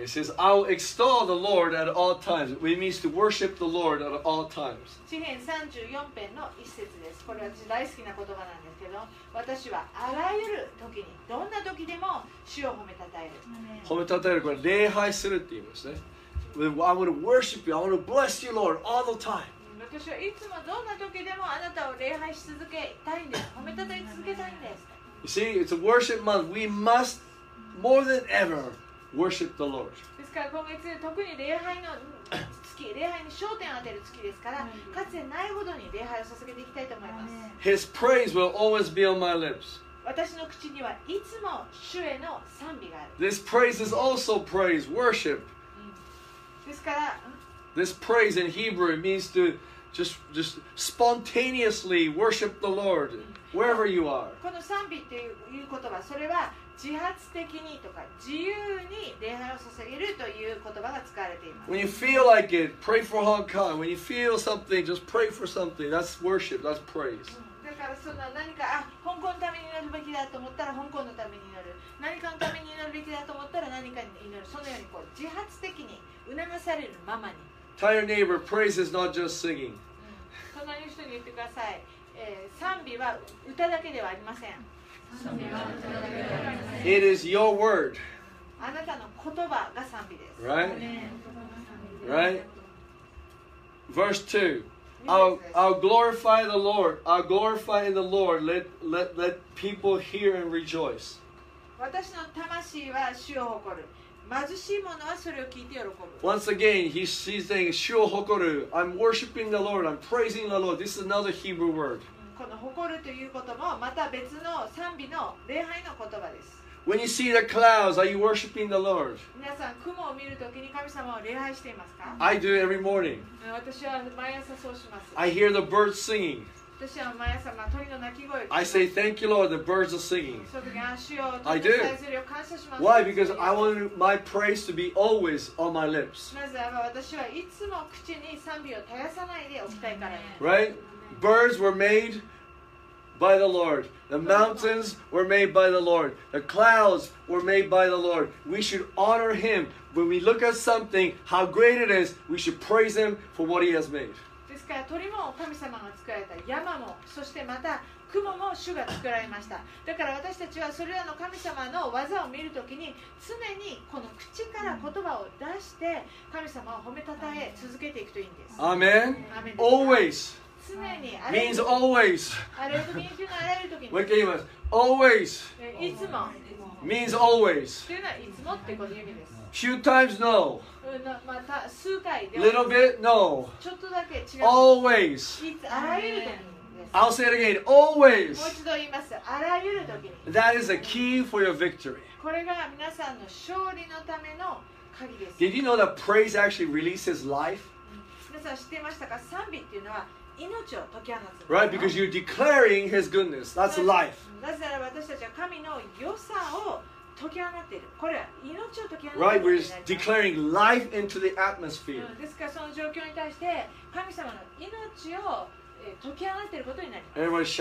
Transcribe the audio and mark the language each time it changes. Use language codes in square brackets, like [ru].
[en] It says, I'll extol the Lord at all times. It means to worship the Lord at all times. [ja] 詩編34編の一節です。これは私大好きな言葉なんですけど、私はあらゆる時に、どんな時でも主を褒めたたえる。褒めたたえる、これ礼拝するって言いますね。 [en] I want to worship you, I want to bless you, Lord, all the time. [ja] 私はいつもどんな時でもあなたを礼拝し続けたいんです。褒めたたえ続けたいんです。 [en] You see, it's a worship month. We must, more than ever, worship the Lord. [ja] ですから今月特に礼拝の月、礼拝に焦点を当てる月ですから、かつてないほどに礼拝を捧げていきたいと思います。 [en] His praise will always be on my lips. [ja] 私の口にはいつも主への賛美がある。 [en] This praise is also praise, worship. [ja] ですから、 [en] This praise in Hebrew means to just spontaneously worship the Lord. Wherever you are. [ja] この賛美という言葉、それは自発的にとか自由に礼拝を捧げるという言葉が使われています。 [en] When you feel like it, pray for Hong Kong. When you feel something, just pray for something. That's worship. That's praise. [ja] だからその何か、あ、香港のために祈るべきだと思ったら香港のために祈る。何かのために祈るべきだと思ったら何かに祈る。そのようにこう自発的に促されるままに。 [en] Tell your neighbor, praise is not just singing. [ja] 隣の人に言ってください。賛美は歌だけではありません。 [en] It is your word. [ja] あなたの言葉が賛美です。 [en] Right? Verse 2. I'll glorify the Lord. I'll glorify in the Lord. Let people hear and rejoice. [ja] 私の魂は主を誇る。貧しい者はそれを聞いて喜ぶ。 [en] Once again, he's saying, [ja] 主を誇る。 [en] I'm worshiping the Lord. I'm praising the Lord. This is another Hebrew word. [ja] この誇るということもまた別の賛美の礼拝の言葉です。 [en] When you see the clouds, are you worshiping the Lord? [ja] 皆さん、雲を見るときに神様を礼拝していますか? [en] I do every morning. [ja] 私は毎朝そうします。 [en] I hear the birds singing. [ja] 私は毎朝鳥の鳴き声を聞きます。 [en] I say, thank you, Lord, the birds are singing. I do. [ja] 感謝します。 [en] Why? Because I want my praise to be always on my lips. [ja] なぜなら私はいつも口に賛美を絶やさないでおきたいからね。 [en] Right? Birds were made by the Lord. The mountains were made by the Lord. The clouds were made by the Lord. We should honor Him. When we look at something, how great it is, we should praise Him for what He has made. [ja] ですから鳥も神様が作られた、山もそしてまた雲も主が作られました。だから私たちはそれらの神様の技を見るときに常にこの口から言葉を出して神様を褒めたたえ続けていくといいんです。アーメン。アーメン。 [en] Always [ja] 常に [en] means always [ja] あれを見るのあらゆるときに [en] We can use always [ja] いつも [en] means always [ja] というのはいつもってこの意味です。 [en] Few times, no. [ja] また数回で [en] Little bit, no. [ja] ちょっとだけ違う。 [en] Always. [ja] あらゆる時に。 [en] I'll say it again. Always. [ja] もう一度言います。あらゆる時に。 [en] That is a key for your victory. [ja] これが皆さんの勝利のための鍵です。 [en] Did you know that praise actually releases life? [ja] 皆さん知ってましたか?賛美っていうのは命を解き放つ。 [en] Right? Because you're declaring His goodness. That's life. [ja] なぜなら私たちは神の良さを解き放っている。これは命を解き放っている。 [en] Right, we're declaring life into the atmosphere. [ja] ですからその状況に対して神様の命を解き放っていることになります。